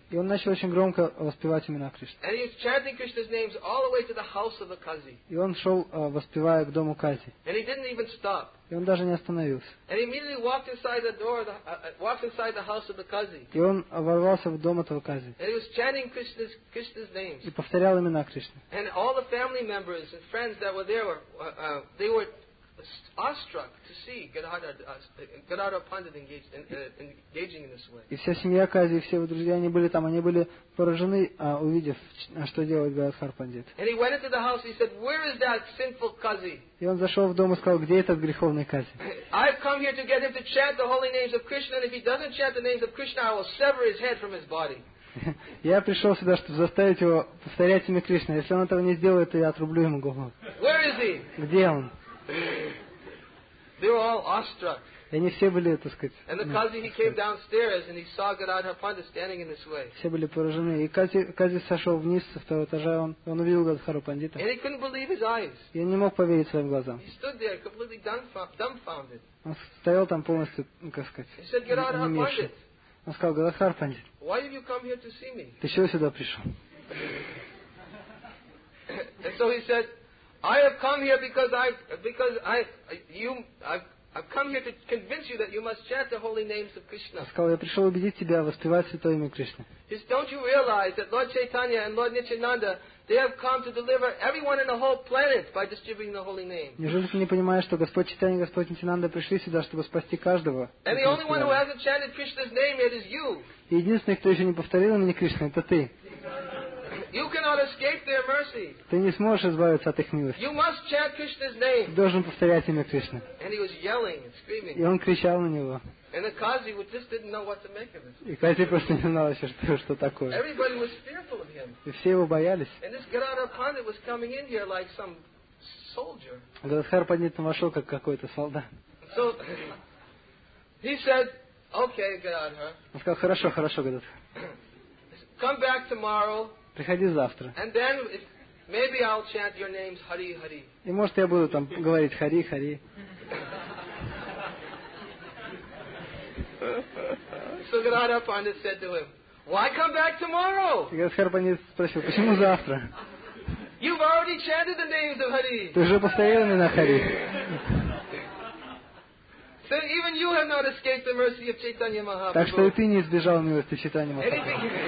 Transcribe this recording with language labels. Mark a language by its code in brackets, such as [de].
[ru] И он начал очень громко воспевать имена Кришны. [en] And he was chanting Krishna's names all the way to the house of the Kazi. [ru] И он шел, воспевая к дому Кази. [en] And he didn't even stop. [ru] И он даже не остановился. [en] And he immediately walked inside the door, walked inside the house of the Kazi. [ru] И он ворвался в дом этого Кази. [en] And he was chanting Krishna's names. [ru] И повторял имена Кришны. [en] And all the family members and friends that were there, they were awestruck to see Gadadhar Pandit engaging in this way. [ru] И вся семья Кази, все его друзья, они были там, они были поражены, увидев, что делает Гададхар Пандит. [en] And he went into the house. He said, "Where is that sinful Kazi?" [ru] И он зашел в дом и сказал, где этот греховный Кази? [en] I've come here to get him to chant the holy names of Krishna, and if he doesn't chant the names of Krishna, I will sever his head from his body. [ru] Я пришел сюда, чтобы заставить его повторять имя Кришна. Если он этого не сделает, то я отрублю ему голову. [en] Where is he? [ru] Где он? [en] They were all awestruck. [ru] Они все были, так сказать. [en] And the Kazi, he came downstairs and he saw Gadadhar Pandit standing in this way. [ru] Все были поражены. И Кази сошел вниз со второго этажа, он увидел Гадхару Пандита. [en] And he couldn't believe his eyes. [ru] И он не мог поверить своим глазам. [en] He stood there completely dumbfounded. [ru] Он стоял там полностью, как сказать. [en] He said, "Gadadhar Pandit." [ru] Он сказал, Гадхар Пандит. [en] Why have you come here to see me? [ru] Ты чего сюда пришел? [en] And so he said, I have come here because I've come here to convince you that you must chant the holy names of Krishna. [ru] Сказал, я пришел убедить тебя воспевать святое имя Кришны. [en] He said, don't you realize that Lord Chaitanya and Lord Nityananda, they have come to deliver everyone in the whole planet by distributing the holy name. [ru] Неужели ты не понимаешь, что Господь Чайтанья и Господь Нитинанда пришли сюда, чтобы спасти каждого? [en] And the only one who hasn't chanted Krishna's name yet is you. [ru] Единственный, кто еще не повторил имени Кришны, это ты. [en] You cannot escape their mercy. [ru] Ты не сможешь избавиться от их милости. [en] You must chant Krishna's name. [ru] Ты должен повторять имя Кришны. [en] And he was yelling and screaming. [ru] И он кричал на него. [en] And the Kazi just didn't know what to make of it. [ru] И Кази просто не знал еще, что такое. [en] Everybody was fearful of him. [ru] И все его боялись. [en] And this Gadadhar Pandit was coming in here like some soldier. [ru] Гададхар Пандит вошел как какой-то солдат. [en] So he said, "Okay, Gadadhar." [ru] Он сказал, "Хорошо, хорошо, Гададхар." [en] Come back tomorrow. [ru] Приходи завтра. [en] And then maybe I'll chant your names, Hari Hari. [ru] И может я буду там говорить Хари Хари. [en] So Gadadhar Pandit said to him, "Why come back tomorrow?" [ru] И Гададхар Пандит спросил, почему завтра? [en] You've already chanted the names of Hari. [ru] Ты уже повторил имена Хари. [en] So even you have not escaped the mercy of Chaitanya Mahaprabhu. [ru] Так что и ты не избежал милости Чайтаньи Махапрабху.